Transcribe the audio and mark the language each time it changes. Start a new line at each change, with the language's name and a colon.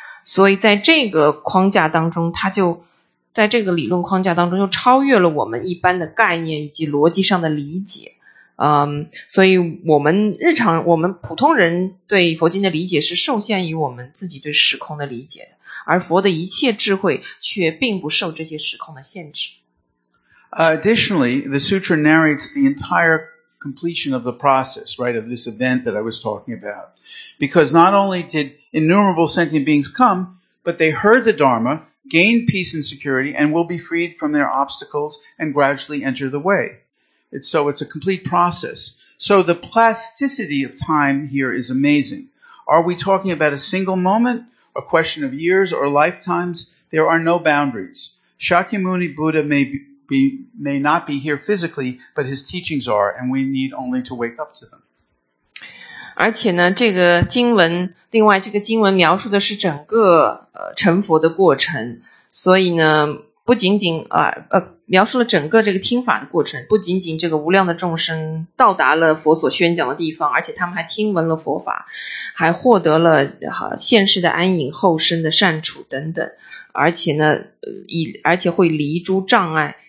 Chinese: 所以在这个框架当中，它就在这个理论框架当中又超越了我们一般的概念以及逻辑上的理解。所以我们日常我们普通人对佛经的理解是受限于我们自己对时空的理解，而佛的一切智慧却并不受这些时空的限制。
English: Additionally, the sutra narrates the entire completion of the process, right, of this event that I was talking about. Because not only did innumerable sentient beings come, but they heard the Dharma, gained peace and security, and will be freed from their obstacles and gradually enter the way. So it's a complete process. So the plasticity of time here is amazing. Are we talking about a single moment, a question of years or lifetimes? There are no boundaries. Shakyamuni Buddha may not be here physically, but his teachings are, and we need only to wake up to them.
Chinese: 而且呢，这个经文，另外这个经文描述的是整个成佛的过程，所以呢，不仅仅描述了整个这个听法的过程，不仅仅这个无量的众生到达了佛所宣讲的地方，而且他们还听闻了佛法，还获得了现世的安隐、后生的善处等等，而且呢，而且会离诸障碍。